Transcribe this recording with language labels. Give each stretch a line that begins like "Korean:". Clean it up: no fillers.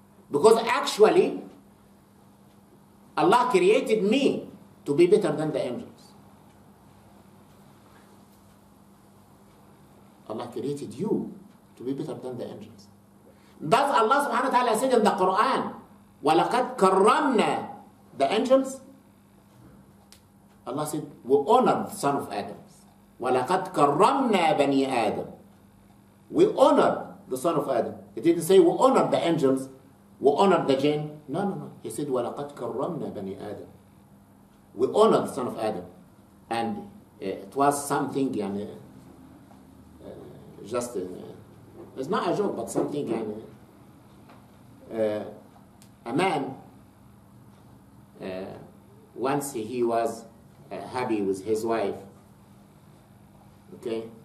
English: Because actually, Allah created me to be better than the angels. Allah created you to be better than the angels. Does Allah subhanahu wa ta'ala say in the Quran,
Arabic: وَلَقَدْ كَرَّمْنَا
English: the angels? Allah said, we honor the son of Adam.
Arabic: وَلَقَدْ كَرَّمْنَا بَنِي Adam.
English: We honor the son of Adam. He didn't say we honor the angels, we honor the jinn. No. He said,
Arabic: وَلَقَدْ كَرَّمْنَا بَنِي آدَمَ.
English: we honor the son of Adam. And it was something, you know, just, it's not a joke, but something, you know, a man, once he was happy with his wife, okay?